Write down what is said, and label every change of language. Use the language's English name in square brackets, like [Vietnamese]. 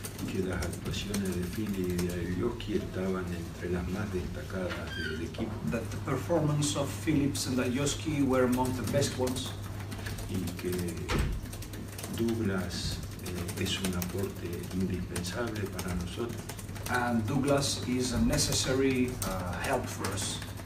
[Spanish] Que las actuaciones de Phillips y de Aoki estaban entre las más destacadas del equipo. [English] That the performance of Phillips and Aoki were among the best ones. [Spanish] Y que Douglas es un aporte indispensable para nosotros. [English] And Douglas is a necessary help for us.